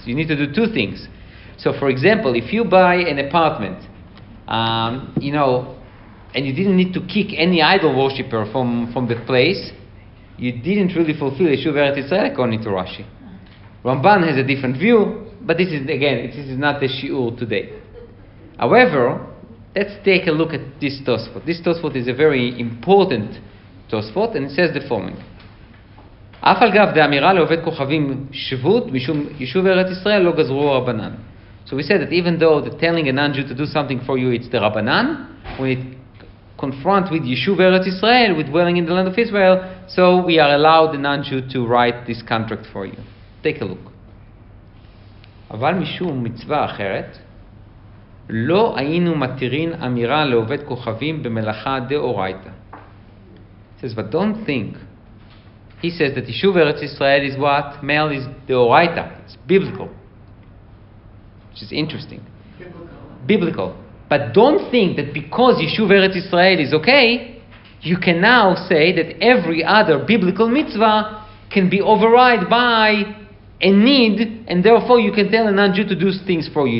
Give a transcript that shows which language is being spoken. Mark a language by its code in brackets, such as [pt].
[en] You need to do two things. So for example, if you buy an apartment, and you didn't need to kick any idol worshipper from the place, you didn't really fulfill Yishuv Eretz Israel according to Rashi. Ramban has a different view, but this is not the shiur today. However, let's take a look at this Tosfot. This Tosfot is a very important Tosfot, and it says the following. [he] אף על גב דאמירה לעובד כוכבים שבות משום יישוב ארץ ישראל לא גזרו רבנן. [en] So we said that even though the telling a non-Jew to do something for you, it's the רבנן, when it confront with יישוב ארץ ישראל, with dwelling in the land of Israel, so we are allowed the non-Jew to write this contract for you. Take a look. [he] אבל משום מצווה אחרת, לא היינו מתירין אמירה לעובד כוכבים במלאכה דאורייתא. [en] It says, but don't think. He says that Yishuv Eretz Yisrael is what? Male is Deoraita. It's biblical. Which is interesting. Biblical. But don't think that because Yishuv Eretz Yisrael is okay, you can now say that every other biblical mitzvah can be overrided by a need, and therefore you can tell a non-Jew to do things for you.